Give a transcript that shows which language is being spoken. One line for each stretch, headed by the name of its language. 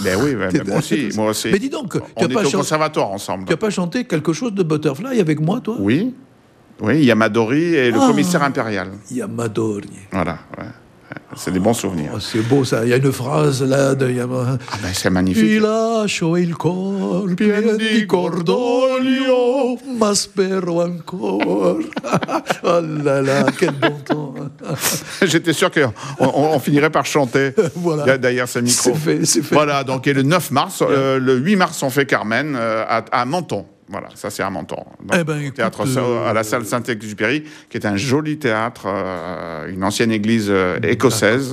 French: Ben oui, moi aussi. Mais dis donc, au conservatoire ensemble. Tu n'as pas chanté quelque chose de Butterfly avec moi, toi? Oui. Oui, Yamadori et le commissaire impérial. Yamadori. Voilà. Ouais. C'est des bons souvenirs. Oh, c'est beau ça. Il y a une phrase là de Yamadori. Ah ben c'est magnifique.
Italian: Il lascio il cor pien di cordoglio, ma spero ancora.
French: Oh là là, quel bon temps. J'étais sûr qu'on finirait par chanter. Voilà. D'ailleurs, ce micro. C'est fait. Voilà, donc et le 9 mars, le 8 mars, on fait Carmen à Menton. Voilà, ça c'est à Menton. Théâtre à la salle Saint-Exupéry, qui est un joli théâtre, une ancienne église écossaise.